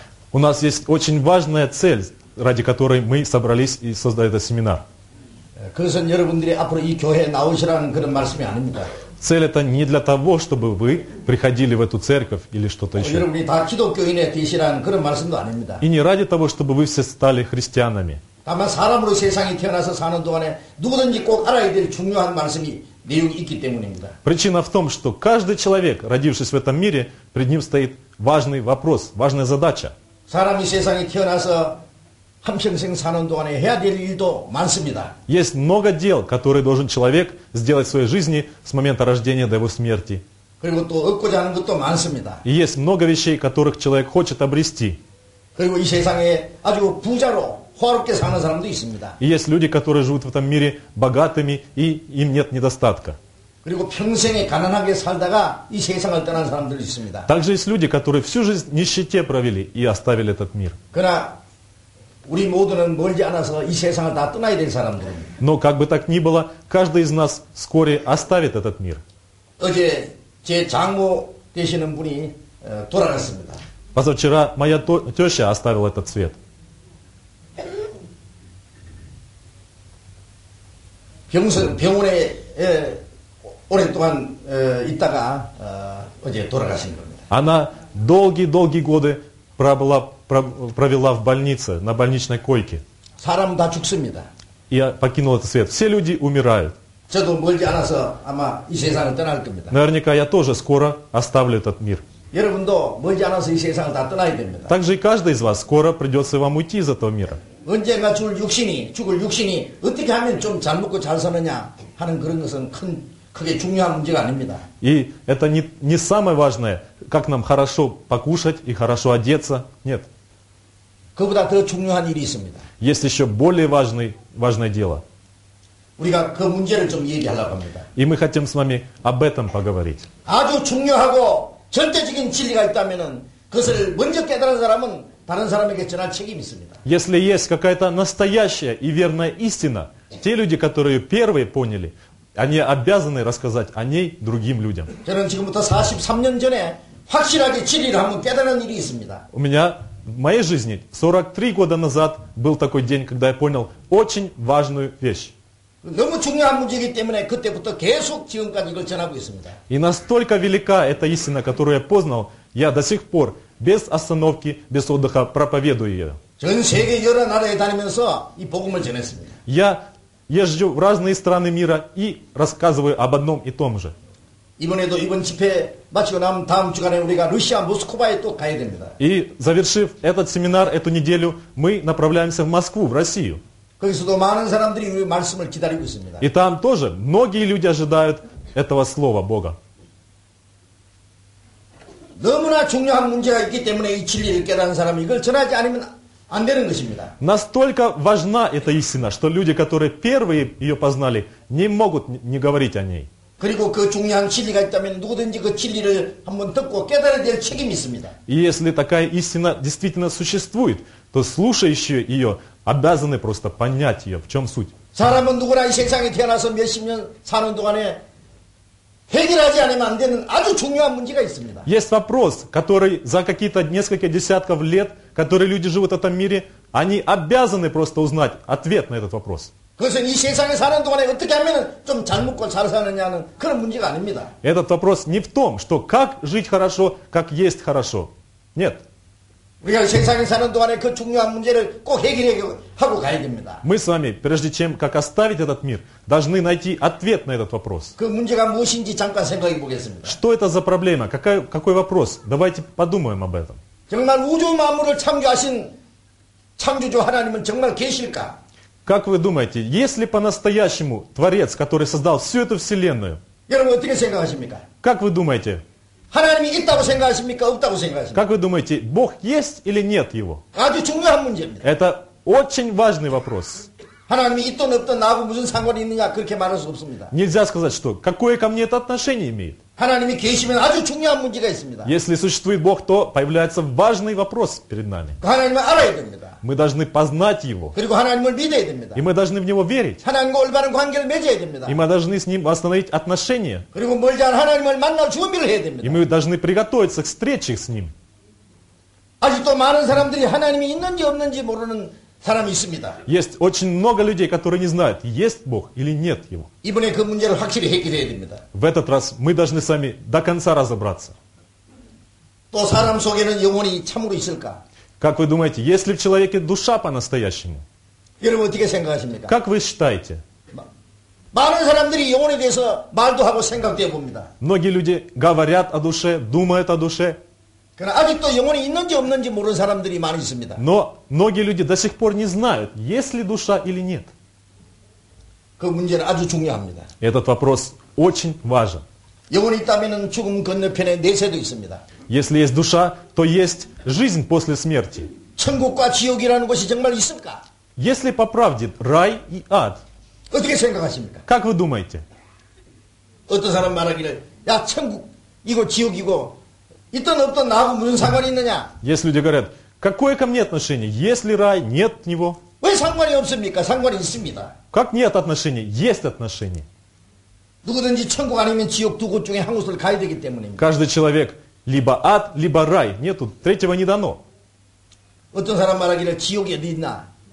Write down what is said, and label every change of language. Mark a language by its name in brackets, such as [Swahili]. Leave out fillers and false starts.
[Russian] У нас есть очень важная цель, ради которой мы собрались и создали этот семинар. [Korean] 그것은 여러분들이 앞으로 이 교회에 나오시라는 그런 말씀이 아닙니다. [Russian] Цель это не для того, чтобы вы приходили в эту церковь или что-то еще. [Korean] 여러분이 다 기독교인에 되시라는 그런 말씀도 아닙니다. [Russian] И не ради того, чтобы вы все стали христианами. [Korean] 다만 사람으로 세상에 태어나서 사는 동안에 누구든지 꼭 알아야 될 중요한 말씀이 내용이 있기 때문입니다. [Russian] Причина в том, что каждый человек, родившись в этом мире, перед ним стоит важный вопрос, важная задача. [Korean] 사람이 세상에 태어나서 한평생 사는 동안에 해야 될 일도 많습니다. [Russian] Есть много дел, которые должен человек сделать в своей жизни с момента рождения до его смерти. [Korean] 그리고 또 얻고자 하는 것도 많습니다. [Russian] И есть много вещей, которых человек хочет обрести. [Korean] 그리고 이 세상에 아주 부자로 호화롭게 사는 사람도 있습니다. [Russian] И есть люди, которые живут в этом мире богатыми и им нет недостатка. [Korean] 그리고 평생에 가난하게 살다가 이 세상을 떠난 사람들도 있습니다. [Russian] Также есть люди, которые всю жизнь в нищете провели и оставили этот мир. [Korean] 그러나 우리 모두는 멀지 않아서 이 세상을 다 떠나야 될 사람들입니다. [Russian] Но как бы так ни было, каждый из нас вскоре оставит этот мир. [Korean] 어제 제 장모 되시는 분이 돌아갔습니다. [Russian] Позавчера моя теща оставила этот свет. [Korean] 병원에 오랫동안 있다가 어제 돌아가신 겁니다. [Russian] Она долгие-долгие годы провела в больнице, на больничной койке. [Korean] 사람 다 죽습니다. [Russian] И покинул этот свет. Все люди умирают. [Korean] 저도 멀지 않아서 아마 이 세상을 떠날 겁니다. [Russian] Наверняка я тоже скоро оставлю этот мир. [Korean] 여러분도 멀지 않아서 이 세상을 다 떠나야 됩니다. [Russian] Также и каждый из вас скоро придется вам уйти из этого мира. [Korean] 언젠가 죽을 육신이 어떻게 하면 좀 잘 먹고 잘 사느냐 하는 그런 것은 큰 그게 중요한 문제가 아닙니다. [Russian] И это не самое важное, как нам хорошо покушать и хорошо одеться. Нет. [Korean] 그보다 더 중요한 일이 있습니다. [Russian] Есть еще более важное дело. [Korean] 우리가 그 문제를 좀 얘기하려고 합니다. [Russian] И мы хотим с вами об этом поговорить. [Korean] 아주 중요하고 절대적인 진리가 있다면은 그것을 먼저 깨달은 사람은 다른 사람에게 전할 책임이 있습니다. [Russian] Если есть какая-то настоящая и верная истина, те люди, которые первые поняли, они обязаны рассказать о ней другим людям. [Korean] 저는 지금부터 43년 전에 확실하게 진리를 한번 깨달은 일이 있습니다. [Russian] У меня в моей жизни 43 года назад был такой день, когда я понял очень важную вещь. [Korean] 너무 중요한 문제이기 때문에 그때부터 계속 지금까지 이걸 전하고 있습니다. [Russian] И настолько велика эта истина, которую я познал, я до сих пор без остановки, без отдыха проповедую ее. [Korean] 전 세계 여러 나라에 다니면서 이 복음을 전했습니다. [Russian] Я езжу в разные страны мира и рассказываю об одном и том же. [Korean] 이번에도 이번 집회 마치고 나면 다음 주간에 우리가 러시아 모스크바에 또 가야 됩니다. [Russian] И завершив этот семинар эту неделю, мы направляемся в Москву, в Россию. [Korean] 거기서도 많은 사람들이 우리 말씀을 기다리고 있습니다. [Russian] И там тоже многие люди ожидают этого слова Бога. [Korean] 너무나 중요한 문제가 있기 때문에 이 진리를 깨달은 사람이 이걸 전하지 않으면 안 되는 것입니다. [Russian] Настолько важна эта истина, что люди, которые первые ее познали, не могут не говорить о ней. [Korean] 그리고 그 중요한 진리가 있다면 누구든지 그 진리를 한번 듣고 깨달아야 될 책임이 있습니다. [Russian] Если такая истина действительно существует, то слушающие ее обязаны просто понять ее, в чем суть. [Korean] 사람은 누구나 이 세상에 태어나서 몇십 년 사는 동안에 해결하지 않으면 안 되는 아주 중요한 문제가 있습니다. [Russian] Есть вопрос, который за какие-то несколько десятков лет, которые люди живут в этом мире, они обязаны просто узнать ответ на этот вопрос. [Korean] 그것은 이 세상에 사는 동안에 어떻게 하면 좀 잘 먹고 잘 사느냐는 그런 문제가 아닙니다. [Russian] Этот вопрос не в том, что как жить хорошо, как есть хорошо. Нет. [Korean] 우리가 세상에 사는 동안에 그 중요한 문제를 꼭 해결하고 가야 됩니다. [Russian] Мы с вами, прежде чем как оставить этот мир, должны найти ответ на этот вопрос. [Korean] 그 문제가 무엇인지 잠깐 생각해 보겠습니다. [Russian] Что это за проблема? Какой вопрос? Давайте подумаем об этом. [Korean] 정말 우주 만물을 창조하신 창조주 하나님은 정말 계실까? [Russian] Как вы думаете, есть ли по-настоящему Творец, который создал всю эту Вселенную? [Korean] 여러분, 어떻게 생각하십니까? [Russian] Как вы думаете? [Korean] 하나님이 있다고 생각하십니까? 없다고 생각하십니까? [Russian] Как вы думаете, Бог есть или нет его? [Korean] 아주 중요한 문제입니다. [Russian] Это очень важный вопрос. [Korean] 하나님이 있든 없든 나하고 무슨 상관이 있느냐 그렇게 말할 수 없습니다. [Russian] Нельзя сказать, что какое ко мне это отношение имеет. [Korean] 하나님이 계시면 아주 중요한 문제가 있습니다. [Russian] Если существует Бог, то появляется важный вопрос перед нами. [Korean] 하나님을 알아야 됩니다. [Russian] Мы должны познать его. [Korean] 그리고 하나님을 믿어야 됩니다. [Russian] И мы должны в него верить. [Korean] 하나님과 올바른 관계를 맺어야 됩니다. [Russian] И мы должны с ним восстановить отношения. [Korean] 그리고 멀지 않은 하나님을 만날 준비를 해야 됩니다. [Russian] И мы должны приготовиться к встрече с ним. [Korean] 아직도 많은 사람들이 하나님이 있는지 없는지 모르는 사람이 있습니다. [Russian] Есть очень много людей, которые не знают, есть Бог или нет его. [Korean] 이번에 그 문제를 확실히 해결해야 됩니다. [Russian] В этот раз мы должны с вами до конца разобраться. [Korean] 또 사람 속에는 영혼이 참으로 있을까? [Russian] Как вы думаете, есть ли в человеке душа по-настоящему? [Korean] 여러분, 어떻게 생각하십니까? [Russian] Как вы считаете? [Korean] 많은 사람들이 영혼에 대해서 말도 하고 생각도 해봅니다. [Russian] Многие люди говорят о душе, думают о душе. [Korean] 그러나 아직도 영혼이 있는지 없는지 모르는 사람들이 많이 있습니다. [Russian] Но многие люди до сих пор не знают, есть ли душа или нет. [Korean] 그 문제는 아주 중요합니다. [Russian] Этот вопрос очень важен. [Korean] 영혼이 있다면 죽음 건너편에 내세도 있습니다. [Russian] Если есть душа, то есть жизнь после смерти. [Korean] 천국과 지옥이라는 것이 정말 있을까? [Russian] Если по правде рай и ад. [Korean] 어떻게 생각하십니까? [Russian] Как вы думаете? [Korean] 어떤 사람 말하기를, 야, 천국, 이거 지옥이고, 있든 없든 나하고 무슨 상관이 있느냐? [Russian] Есть люди говорят, какое ко мне отношение? Есть ли рай? Нет него. [Korean] 왜 상관이 없습니까? 상관이 있습니다. [Russian] Как нет отношений? Есть отношения. [Korean] 누구든지 천국 아니면 지옥 두 곳 중에 한 곳을 가야 되기 때문입니다. [Russian] Каждый человек либо ад, либо рай. Нету, третьего не дано. [Korean] 어떤 사람 말하기를 지옥이 어디 있나?